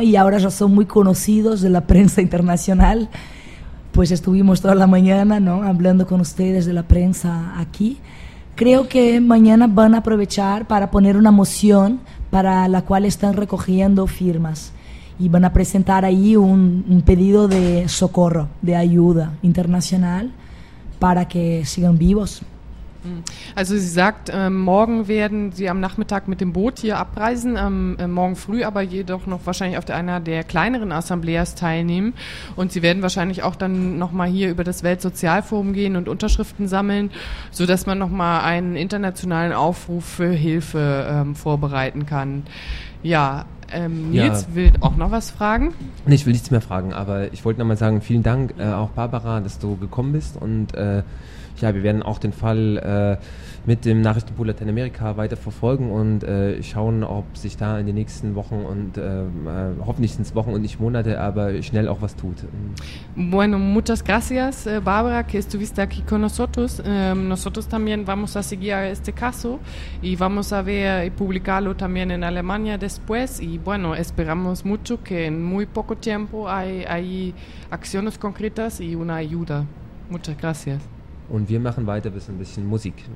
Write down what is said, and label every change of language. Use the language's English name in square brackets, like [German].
[Spanish] Y ahora ya son muy conocidos de la prensa internacional, pues estuvimos toda la mañana, ¿no?, hablando con ustedes de la prensa aquí. Creo que mañana van a aprovechar para poner una moción para la cual están recogiendo firmas y van a presentar ahí un pedido de socorro, de ayuda internacional para que sigan vivos. [German] Also sie sagt, morgen werden sie am Nachmittag mit dem Boot hier abreisen, morgen früh aber jedoch noch wahrscheinlich auf einer der kleineren Assembleas teilnehmen und sie werden wahrscheinlich auch dann nochmal hier über das Weltsozialforum gehen und Unterschriften sammeln, sodass man nochmal einen internationalen Aufruf für Hilfe vorbereiten kann. Ja, Nils will auch noch was fragen. Nee, ich will nichts mehr fragen, aber ich wollte nochmal sagen, vielen Dank auch Barbara, dass du gekommen bist und ja, wir werden auch den Fall mit dem Nachrichtenpool Lateinamerika weiter verfolgen und schauen, ob sich da in den nächsten Wochen und hoffentlich sind es Wochen und nicht Monate, aber schnell auch was tut. [Spanish] Bueno, muchas gracias, Barbara, que estuviste aquí con nosotros. Nosotros también vamos a seguir este caso y vamos a ver y publicarlo también en Alemania después. Y bueno, esperamos mucho que en muy poco tiempo hay acciones concretas y una ayuda. Muchas gracias. [German] Und wir machen weiter bis ein bisschen Musik.